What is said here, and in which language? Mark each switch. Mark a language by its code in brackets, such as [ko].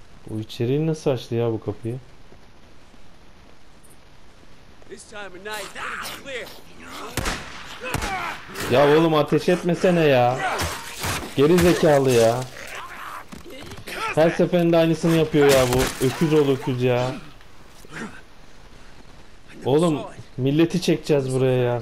[tr] Bu içeriği nasıl açtı ya bu kapıyı? [en] This time of night, it is clear. [tr] Ya oğlum ateş etmesene ya. Geri zekalı ya. Her seferinde aynısını yapıyor ya bu. Öküz ol öküz ya. Oğlum milleti çekeceğiz buraya ya.